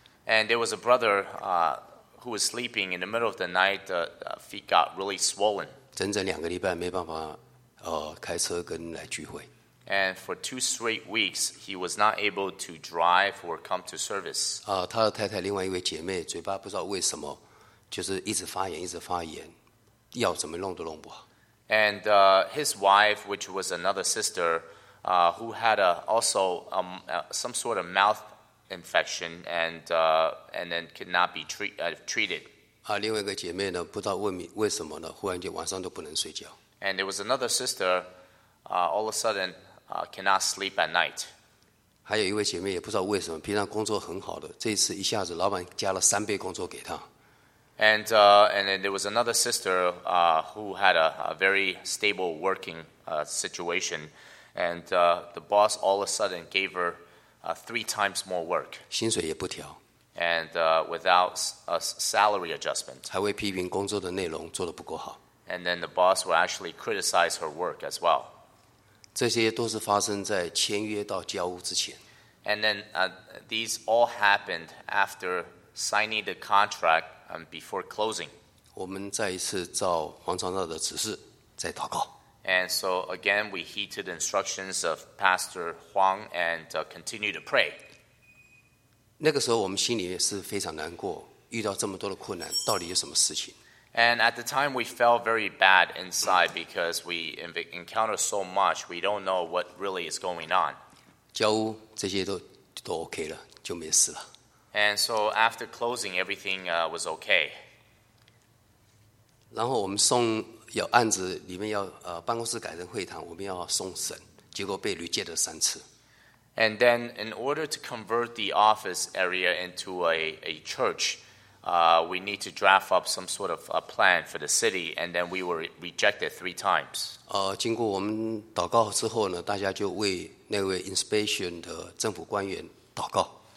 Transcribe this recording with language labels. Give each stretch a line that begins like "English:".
English: And there was a brother, who was sleeping in the middle of the night, feet got really swollen.
Chinese: 整整两个礼拜没办法开车跟来聚会。
English: And for 2 straight weeks, he was not able to drive or come to service.
Chinese: 他的太太另外一位姐妹嘴巴不知道为什么就是一直发炎一直发炎，药怎么弄都弄不好。
English: And his wife, which was another sister, who had some sort of mouth infection and then could not be treated.
Chinese: 另外一个姐妹呢，不知道为什么呢，忽然间晚上都不能睡觉。
English: And there was another sister, all of a sudden, cannot sleep at night.
Chinese: 还有一位姐妹也不知道为什么，平常工作很好的，这次一下子老板加了3倍工作给她。
English: And then there was another sister, who had a very stable working situation, and the boss all of a sudden gave her. 3 times more work.
Chinese: 薪水也不调。
English: And without a salary adjustment.
Chinese: 还会批评工作的内容做得不够好。
English: And then the boss will actually criticize her work as well.
Chinese: 这些都是发生在签约到交屋之前。
English: And then these all happened after signing the contract and before closing.
Chinese: 我们再一次照黄长照的指示再祷告。
English: And so again, we heeded the instructions of Pastor Huang and continue to pray.
Chinese: 那个时候我们心里是非常难过，遇到这么多的困难，到底有什么事情？
English: And at the time, we felt very bad inside because we encounter so much, we don't know what really is going on.
Chinese: 交屋这些 都 OK 了，就没事了。
English: And so after closing, everything was okay.
Chinese: 然后我们送有案子，里面要办公室改成会堂，我们要送审，结果被拒绝了三次。
English: And then, in order to convert the office area into a church, we need to draft up some sort of a plan for the city, and then we were rejected three times.
Chinese: 经过我们祷告之后呢，大家就为那位 inspection 的政府官员祷告。